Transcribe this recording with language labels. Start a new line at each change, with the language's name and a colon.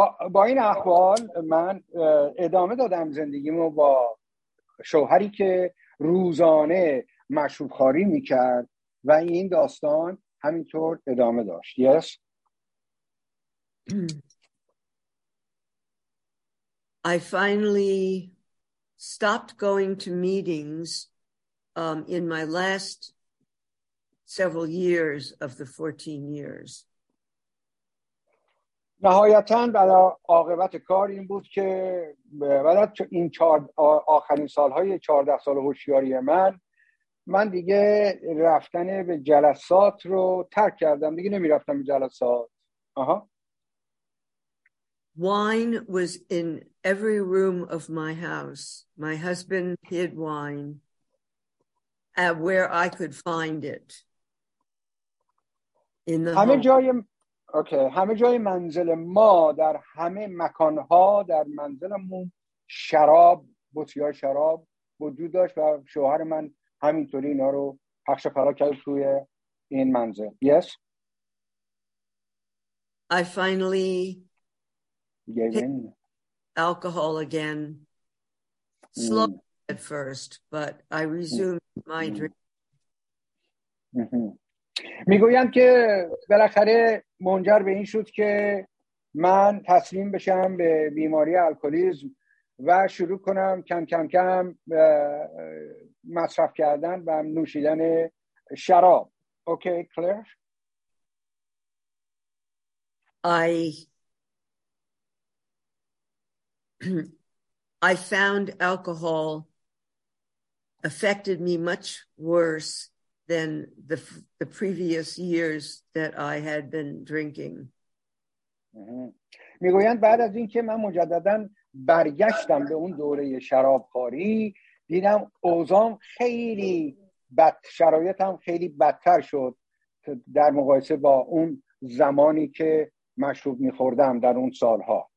Persian: با این احوال من ادامه دادم زندگیمو با شوهری که روزانه مشروب خوری میکرد و این داستان همینطور ادامه داشت.
English: Yes. I finally stopped going to meetings in my last several years of the 14 years.
Persian: نهایتاً بعد از عاقبت کار این بود که بعد از این آخرین سالهای 14 سال هوشیاری من دیگه رفتن به جلسات رو ترک کردم، دیگه نمی‌رفتم به جلسات. آها.
English: Wine was in every room of my house. My husband hid wine at where I could find it. In the
Persian: همه جای اوکی، همه جای منزل ما، در همه مکان‌ها در منزلمون شراب، بطری‌های شراب وجود داشت و شوهر من همینطوری اینا رو پخش و پلا کرد توی این منزل.
English: Yes. I finally gave in alcohol again slow at first but I resumed my drink.
Persian: میگویم که بالاخره منجر به این شد که من تسلیم بشم به بیماری الکلیسم و شروع کنم کم کم مصرف کردن و نوشیدن شراب.
English: Okay clear. I found alcohol affected me much worse than the previous years that I had been drinking.
Persian: میگویند بعد از اینکه من مجددا برگشتم به اون دوره شرابخوری، دیدم اوضاعم خیلی بد، شرایطم خیلی بدتر شد در مقایسه با اون زمانی که مشروب می‌خوردم در اون سالها.